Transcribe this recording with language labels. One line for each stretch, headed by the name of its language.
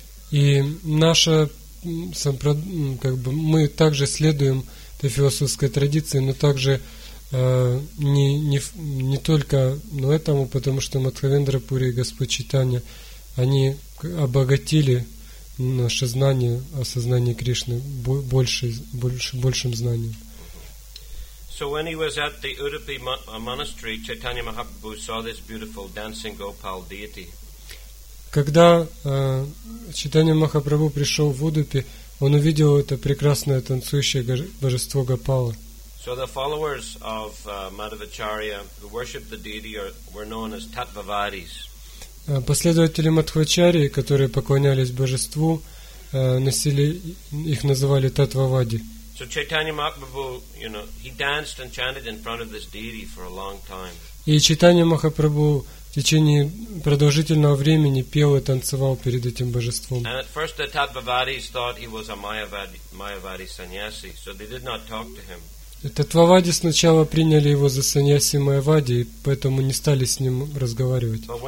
Russian: И наша мы также следуем этой философской традиции, но также не только но этому, потому что Мадхавендра Пури и Господь Чайтанья, они обогатили наше знание о сознании Кришны большим знанием.
English: So when he was at the Udupi monastery, Chaitanya Mahaprabhu saw this beautiful dancing Gopal deity.
Russian: Когда Чайтанья Махапрабху пришел в Удупи, он увидел это прекрасное танцующее божество Гопала.
English: So the followers of Madhvacharya who worshipped the deity were known as tattvavadis.
Russian: Последователи Мадхвачарьи, которые поклонялись божеству, носили их называли таттвавади.
English: So Chaitanya Mahaprabhu, you know, he danced and chanted in front of this deity for a long time.
Russian: И Чайтанья Махапрабху течение продолжительного времени пел и танцевал перед этим божеством.
English: And at first the Tattvavadis thought he was a Mayavadi sannyasi, so they did not talk to him.
Russian: Таттвавади сначала приняли его за саньяси Майавади, поэтому не стали с ним разговаривать.